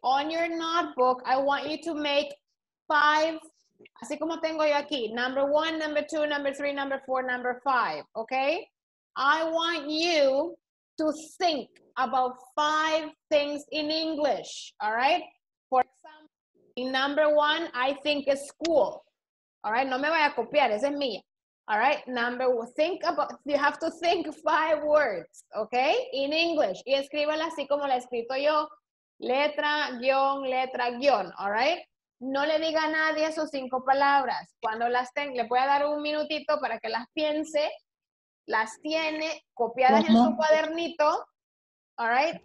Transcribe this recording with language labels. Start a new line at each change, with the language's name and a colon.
English: On your notebook, I want you to make 5,
Spanish: así como tengo yo aquí.
English: Number 1, number 2, number 3, number 4, number 5, okay? I want you to think about 5 things in English, all right? For example, number 1, I think is school.
Spanish: All right, no me vaya a copiar, ese es mío.
English: All right, number one, think about, you have to think 5 words, okay, in English.
Spanish: Y escríbala así como la he escrito yo, letra, guión, all right. No le diga a nadie sus 5 palabras. Cuando las tenga, le voy a dar un minutito para que las piense, las tiene copiadas en su cuadernito, all right.